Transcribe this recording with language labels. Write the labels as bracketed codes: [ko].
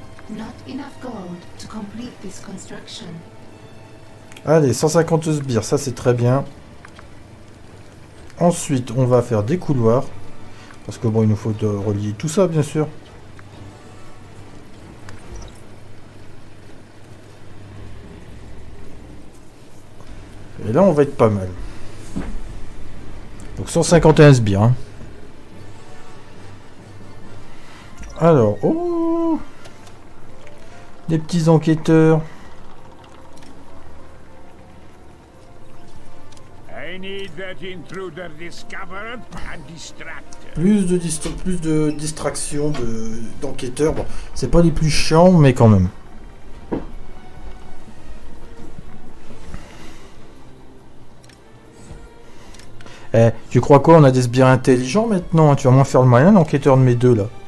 [en] not enough gold to complete this construction. [fr] Allez, 150 sbires, ça c'est très bien. Ensuite, on va faire des couloirs. Parce que bon, il nous faut de relier tout ça, bien sûr. Et là, on va être pas mal. Donc 151 sbires. Hein. Alors, oh, des petits enquêteurs. [en] I need that intruder discovered and distracted. [fr] Plus de distraction d'enquêteurs. Bon, c'est pas les plus chiants, mais quand même. Eh, tu crois quoi? On a des sbires intelligents maintenant. Hein, tu vas moins faire le malin, l'enquêteur de mes deux là.